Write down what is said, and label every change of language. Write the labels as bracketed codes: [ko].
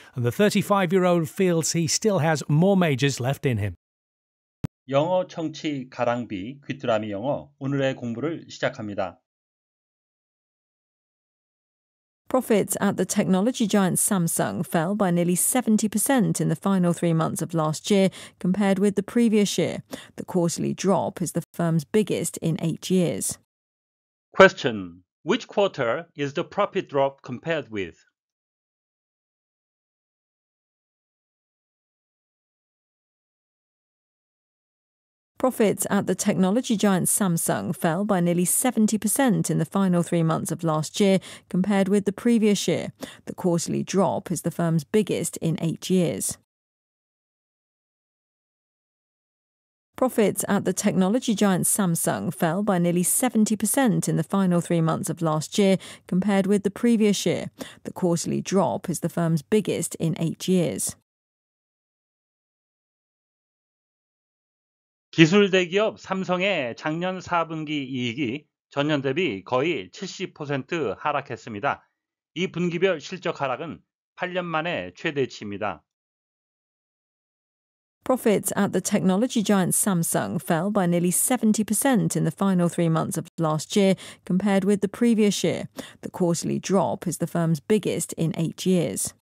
[en] And the 35-year-old feels he still has more majors left in him. [ko] 영어 청취 가랑비 귀뚜라미 영어 오늘의 공부를 시작합니다. [en] Profits at the technology giant Samsung fell by nearly 70% in the final 3 months of last year compared with the previous year. The quarterly drop is the firm's biggest in 8 years. Question: Which quarter is the profit drop compared with? Profits at the technology giant Samsung fell by nearly 70% in the final 3 months of last year compared with the previous year. The quarterly drop is the firm's biggest in 8 years. Profits at the technology giant Samsung fell by nearly 70% in the final 3 months of last year compared with the previous year. The quarterly drop is the firm's biggest in 8 years. [ko] 기술 대기업 삼성의 작년 4분기 이익이 전년 대비 거의 70% 하락했습니다. 이 분기별 실적 하락은 8년 만에 최대치입니다. [en] Profits at the technology giant Samsung fell by nearly 70% in the final 3 months of last year compared with the previous year. The quarterly drop is the firm's biggest in 8 years.